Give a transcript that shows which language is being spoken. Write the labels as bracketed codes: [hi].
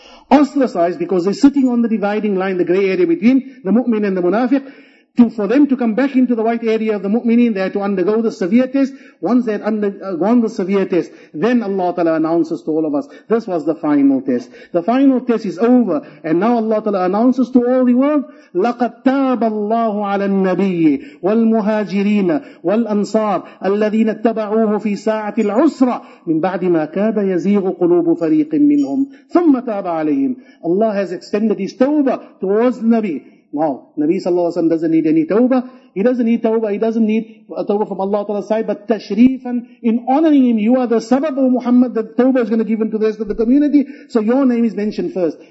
[en] Ostracized because they're sitting on the dividing line, the gray area between the mu'min and the munafiq. For them to come back into the white area of the mu'mineen, they had to undergo the severe test. Once they had undergone the severe test, then Allah Ta'ala announces to all of us, this was the final test. The final test is over, and now Allah Ta'ala announces to all the world, [ar] لَقَدْ تَابَ اللَّهُ عَلَى النَّبِيِّ وَالْمُهَاجِرِينَ وَالْأَنصَارِ الَّذِينَ اتَّبَعُوهُ فِي سَاعَةِ الْعُسْرَةِ مِنْ بَعْدِ مَا كَادَ يَزِيغُ قُلُوبُ فَرِيقٍ مِّنْهُمْ ثُمَّ تَابَ عَلَيْهِمْ. [en] Allah has extended his tawbah towards the Nabi. Wow, Nabi sallallahu alayhi wa sallam doesn't need any tawbah. He doesn't need tawbah, he doesn't need a tawbah from Allah Ta'ala's side, but tashreefan, in honoring him, you are the sabab of Muhammad, the tawbah is going to give him to the rest of the community, so your name is mentioned first.